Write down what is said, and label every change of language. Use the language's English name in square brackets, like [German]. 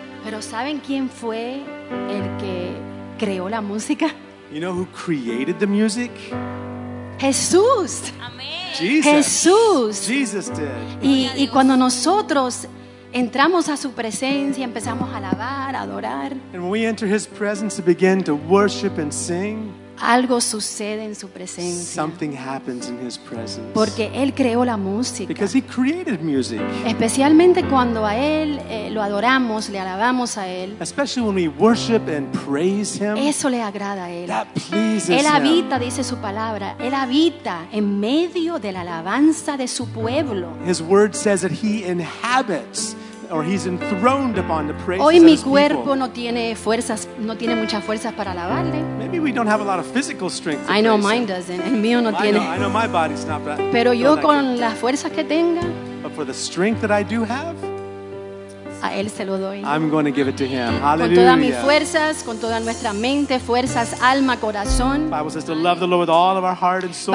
[Spanish] Pero ¿saben quién fue el que creó la música? [English] You know who created the music? [Spanish] Jesús. Amén. [English] Jesus. [Spanish] Jesús. [English] Jesus did. [Spanish] Y cuando nosotros entramos a su presencia, empezamos a alabar, a adorar. [English] And when we enter his presence and begin to worship and sing, [Spanish] algo sucede en su presencia. [English] Something happens in his presence. [Spanish] Porque él creó la música. [English] Because he created music. [Spanish] Especialmente cuando a él lo adoramos, le alabamos a él. [English] Especially when we worship and praise him. [Spanish] Eso le agrada a él. [English] That pleases him. [Spanish] Él habita, dice su palabra, él habita en medio de la alabanza de su pueblo. [English] His word says that he inhabits, or he's enthroned upon the praises. [Spanish] Hoy mi cuerpo no tiene fuerzas, no tiene muchas fuerzas para alabarle. [English] Maybe we don't have a lot of physical strength. I know mine doesn't. [Spanish] El mío no tiene. [English] I know my body's not bad. [Spanish] Pero yo con las fuerzas que tenga, [English] but for the strength that I do have, [Spanish] a él se lo doy. [English] I'm going to give it to him. Hallelujah. [Spanish] Con todas mis fuerzas, con toda nuestra mente, fuerzas, alma, corazón. [English] The Bible says to love the Lord with all of our heart and soul.